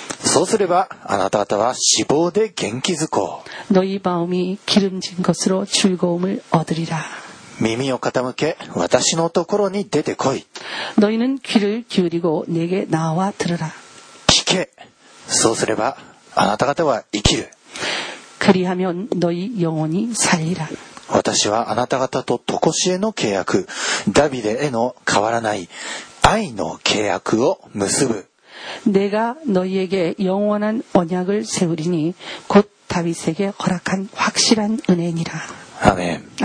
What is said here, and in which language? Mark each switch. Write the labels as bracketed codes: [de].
[ja] そうすればあなた方は脂肪で元気づこう [ko] 너희마음이기름진것으로즐거움을얻으리라 [ja] 耳を傾け私のところに出てこい [ko] 너희는귀를기울이고내게나와들으라 [ja] 聞けそうすればあなた方は生きる [ko] 그리하면너희영혼이살리라 [ja] 私はあなた方と常しえの契約、ダビデへの変わらない愛の契約を結ぶ。 [ko] 내가너희에게영원한언약을세우리니곧다윗에게허락한확실한은혜니라。 [ja] アーメン。